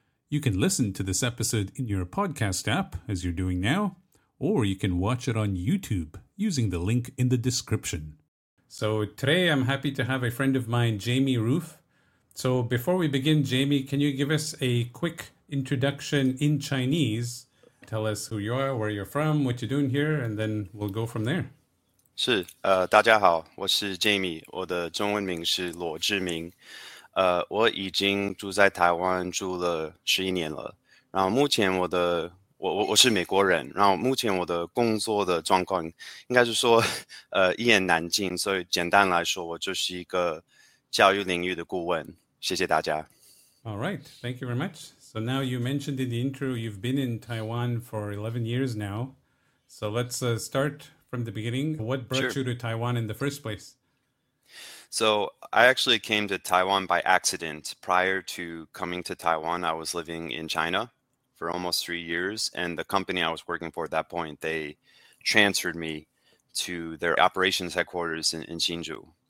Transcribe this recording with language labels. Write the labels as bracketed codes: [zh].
[en] You can listen to this episode in your podcast app, as you're doing now, or you can watch it on YouTube using the link in the description. So today I'm happy to have a friend of mine, Jamie Roof. So before we begin, Jamie, can you give us a quick introduction in Chinese? Tell us who you are, where you're from, what you're doing here, and then we'll go from there. [zh] 是，大家好，我是 Jamie， 我的中文名是罗志明。我已经住在台湾住了11年了，然后目前我的我是美国人，然后目前我的工作的状况应该是说一言难尽，所以简单来说我就是一个教育领域的顾问。谢谢大家。 [en] All right, thank you very much. So now you mentioned in the intro you've been in Taiwan for 11 years now. So let's start from the beginning. What brought you to Taiwan in the first place? So I actually came to Taiwan by accident. Prior to coming to Taiwan, I was living in China for almost 3 years, and the company I was working for at that point, they transferred me to their operations headquarters in Hsinchu.